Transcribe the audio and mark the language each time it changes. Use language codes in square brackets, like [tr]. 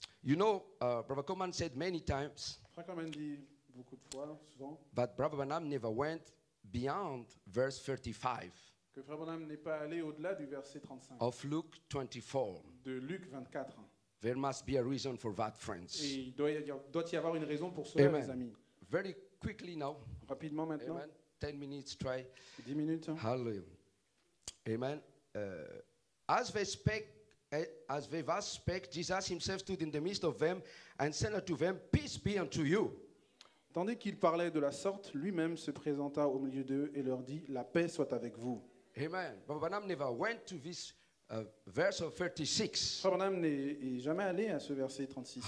[en] You know, Brother Coleman said many times that Brother Branham never went beyond verse 35. [fr] Que Frère Branham n'est pas allé au-delà du verset 35. [en] Of Luke 24. [fr] De Luc 24. [en] There must be a reason for that, friends. [fr] Doit y avoir une raison pour cela, mes amis. [en] Very quickly now. [fr] Rapidement maintenant. [en] Amen. 10 minutes, try. [fr] 10 minutes. [en] Hallelujah. Amen. As they spake, Jesus himself stood in the midst of them and said unto them, Peace be unto you. [fr] Tandis qu'il parlait de la sorte, lui-même se présenta au milieu d'eux et leur dit, La paix soit avec vous. [en] Amen. Rabbi Branham never went to this verse of 36. [fr] Rabbi Branham n'est jamais allé à ce verset 36.